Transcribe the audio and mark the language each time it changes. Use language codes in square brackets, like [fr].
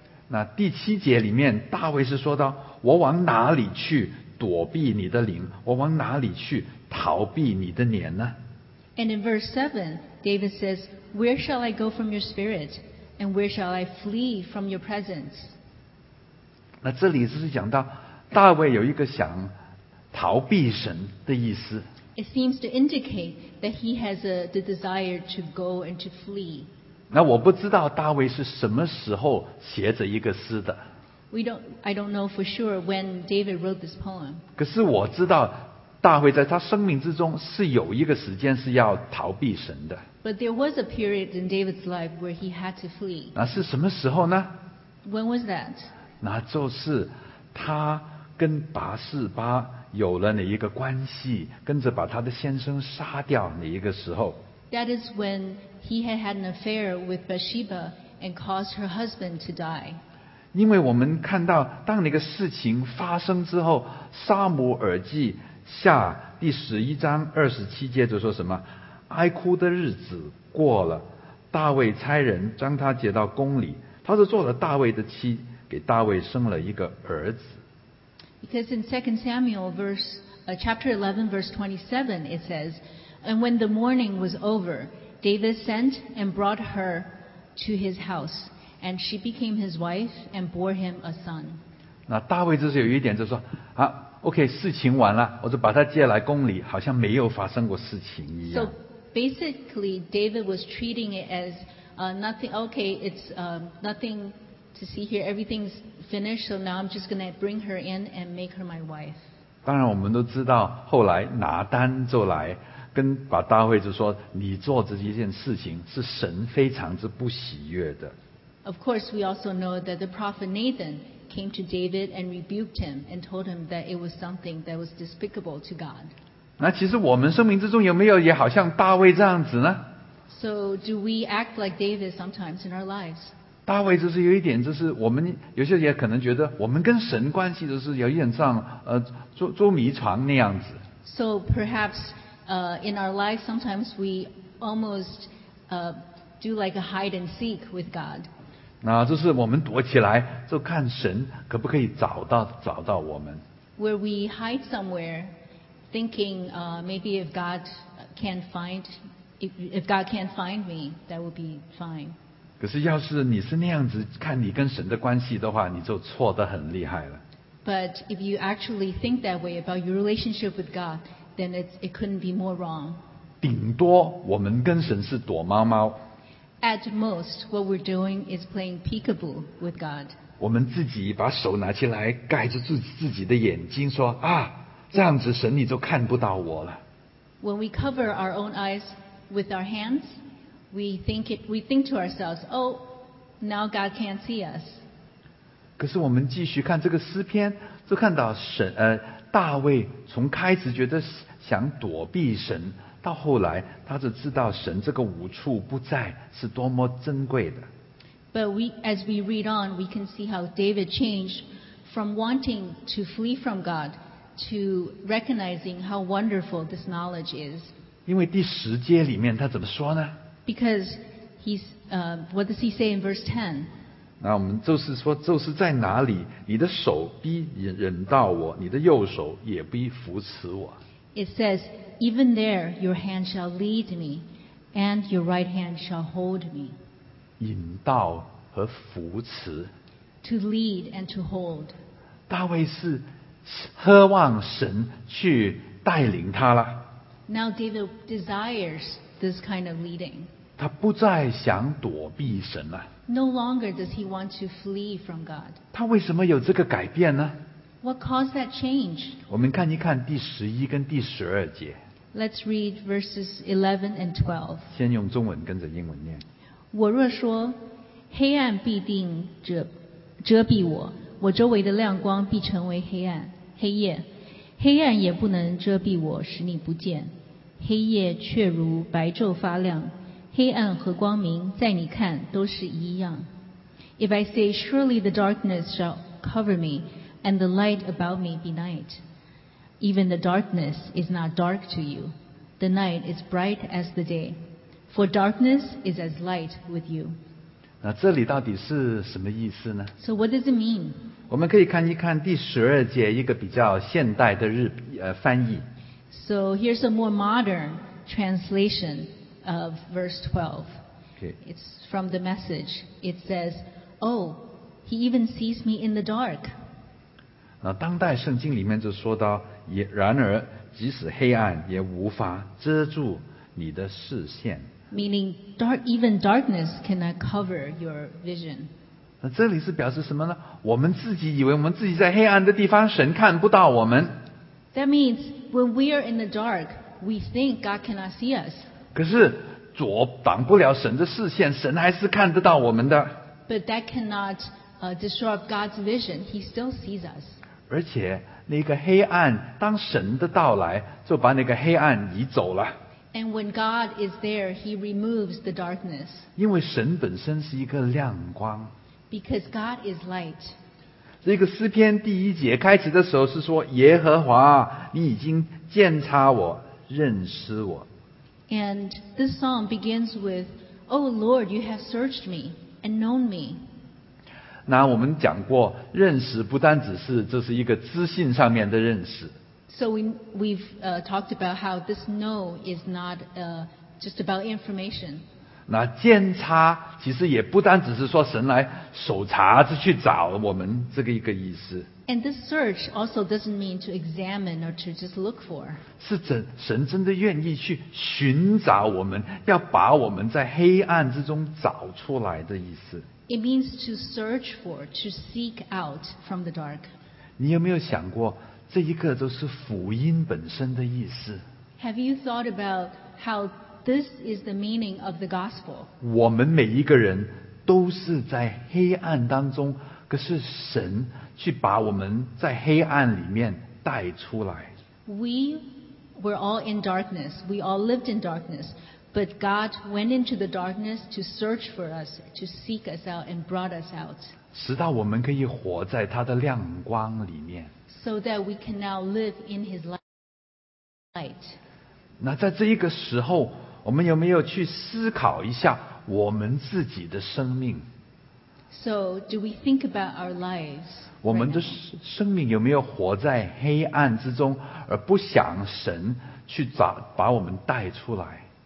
[zh] 那第七节里面，大卫是说到，我往哪里去躲避你的灵？我往哪里去逃避你的脸呢 [en] ？And in verse 7, David says. Where shall I go from your spirit? And where shall I flee from your presence? [zh] 那这里是讲到大卫有一个想逃避神的意思。 [en] It seems to indicate that he has the desire to go and to flee. [zh] 那我不知道大卫是什么时候写着一个诗的。 [en] I don't know for sure when David wrote this poem. [zh] 可是我知道大卫在他生命之中是有一个时间是要逃避神的。 [en] But there was a period in David's life where he had to flee. [zh] 那是什么时候呢 [en] ？When was that？ [zh] 那就是他跟拔示巴有了哪一个关系，跟着把他的先生杀掉哪一个时候 [en] ？That is when he had an affair with Bathsheba and caused her husband to die. [zh] 因为我们看到当那个事情发生之后，《撒母耳记下》第十一章二十七节就说什么？哀哭的日子过了，大卫差人将他接到宫里，他是做了大卫的妻，给大卫生了一个儿子。 [en] Because in 2 Samuel chapter 11 verse 27 it says, and when the morning was over, David sent and brought her to his house, and she became his wife and bore him a son. [zh] 那大卫就是有一点就是说啊 ，OK， 事情完了，我就把他接来宫里，好像没有发生过事情一样。 [en] Basically, David was treating it as nothing. Okay, it's nothing to see here. Everything's finished. So now I'm just going to bring her in and make her my wife. [zh] 当然，我们都知道后来拿单就来跟把大卫就说，你做这一件事情是神非常之不喜悦的。 [en] Of course, we also know that the prophet Nathan came to David and rebuked him and told him that it was something that was despicable to God. [zh] 那其实我们生命之中有没有也好像大卫这样子呢 [en] ？So do we act like David sometimes in our lives？ [zh] 大卫就是有一点，就是我们有些也可能觉得我们跟神关系就是有一点像捉迷藏那样子。 [en] So perhaps in our lives sometimes we almost do like a hide and seek with God。 [zh] 那就是我们躲起来，就看神可不可以找到我们。 [en] Where we hide somewhere。 Thinking maybe if God can't find me, that would be fine. [zh] 可是要是你是那样子看你跟神的关系的话，你就错得很厉害了。 [en] But if you actually think that way about your relationship with God, then it couldn't be more wrong. [zh] 顶多我们跟神是躲猫猫。 [en] At most, what we're doing is playing peekaboo with God. [zh] 我们自己把手拿起来盖着自己的眼睛说啊。这样子神你就看不到我了。 [en] When we cover our own eyes with our hands, we think to ourselves, oh, now God can't see us. [zh] 可是我们继续看这个诗篇，就看到神，大卫从开始觉得想躲避神，到后来他就知道神这个无处不在是多么珍贵的。 [en] But we, as we read on, we can see how David changed from wanting to flee from God to recognizing how wonderful this knowledge is. [zh] 因为第十节里面他怎么说呢？ [en] Because he's, what does he say in verse 10? [zh] 那我们就是说，就是在哪里，你的手必引导我，你的右手也必扶持我。 [en] It says, even there your hand shall lead me, and your right hand shall hold me. [zh] 引导和扶持 [en] to lead and to hold. [zh] 大卫是渴望神去带领他了。 [en] Now David desires this kind of leading. [zh] 他不再想躲避神了。 [en] No longer does he want to flee from God. [zh] 他为什么有这个改变呢？ [en] What caused that change? [zh] 我们看一看第十一跟第十二节。 [en] Let's read verses 11 and 12. [zh] 先用中文跟着英文念。我若说黑暗必定 遮蔽我，我周围的亮光必成为黑暗黑夜，黑暗也不能遮蔽我，使你不见，黑夜却如白昼发亮，黑暗和光明在你看都是一样。 [en] If I say surely the darkness shall cover me and the light about me be night, even the darkness is not dark to you, the night is bright as the dayFor darkness is as light with you. [zh] 那这里到底是什么意思呢？ [en] So what does it mean? [zh] 我们可以看一看第十二节一个比较现代的翻译。 [en] So here's a more modern translation of verse 12. Okay. It's from the message. It says, Oh, he even sees me in the dark. [zh] 那当代圣经里面就说到，然而即使黑暗也无法遮住你的视线。 [en] Meaning, even darkness cannot cover your vision. [zh] 那这里是表示什么呢？我们自己以为我们自己在黑暗的地方，神看不到我们。 [en] That means when we are in the dark, we think God cannot see us. [zh] 可是阻挡不了神的视线，神还是看得到我们的。 [en] But that cannot disrupt God's vision. He still sees us. [zh] 而且那个黑暗，当神的到来，就把那个黑暗移走了。 [en] And when God is there, He removes the darkness. [zh] 因为神本身是一个亮光。 [en] Because God is light. [zh] 这个诗篇第一节开始的时候是说，耶和华，你已经鉴察我，认识我。 [en] And this psalm begins with, Oh Lord, you have searched me and known me. [zh] 那我们讲过，认识不单只是，这是一个知性上面的认识。 [en] So we've talked about how this know is not just about information. [zh] 那鉴察其实也不单只是说神来搜查，是去找我们这个一个意思。 [en] And this search also doesn't mean to examine or to just look for. [zh] 是神真的愿意去寻找我们，要把我们在黑暗之中找出来的意思。 [en] It means to search for, to seek out from the dark. [zh] 你有没有想过？这一个都是福音本身的意思。 [en] Have you thought about how this is the meaning of the gospel? 我们每一个人都是在黑暗当中，可是神去把我们在黑暗里面带出来。 We were all in darkness. We all lived in darkness. But God went into the darkness to search for us, to seek us out and brought us out. [zh] 使到我们可以活在他的亮光里面。 [en] So that we can now live in His light. [zh] 那在这一个时候，我们有没有去思考一下我们自己的生命？ [en] So do we think about our lives? [zh] 我们的生命有没有活在黑暗之中，而不想神去把我们带出来？